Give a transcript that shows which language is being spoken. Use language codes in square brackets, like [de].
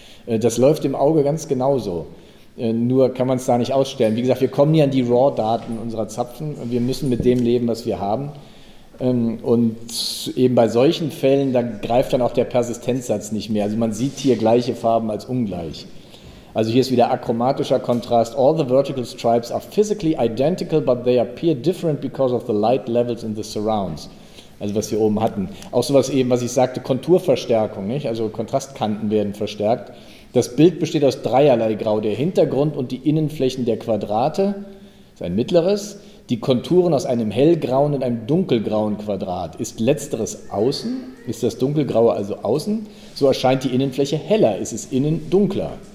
[de] Das läuft im Auge ganz genauso. Nur kann man es da nicht ausstellen. Wie gesagt, wir kommen hier an die Raw-Daten unserer Zapfen. Wir müssen mit dem leben, was wir haben. Und eben bei solchen Fällen, da greift dann auch der Persistenzsatz nicht mehr. Also man sieht hier gleiche Farben als ungleich. Also hier ist wieder achromatischer Kontrast. [en] All the vertical stripes are physically identical, but they appear different because of the light levels in the surrounds. [de] Also was wir oben hatten. Auch sowas eben, was ich sagte, Konturverstärkung, nicht? Also Kontrastkanten werden verstärkt. Das Bild besteht aus dreierlei Grau, der Hintergrund und die Innenflächen der Quadrate, ist ein mittleres, die Konturen aus einem hellgrauen und einem dunkelgrauen Quadrat. Ist letzteres außen, ist das dunkelgraue also außen, so erscheint die Innenfläche heller, ist es innen dunkler.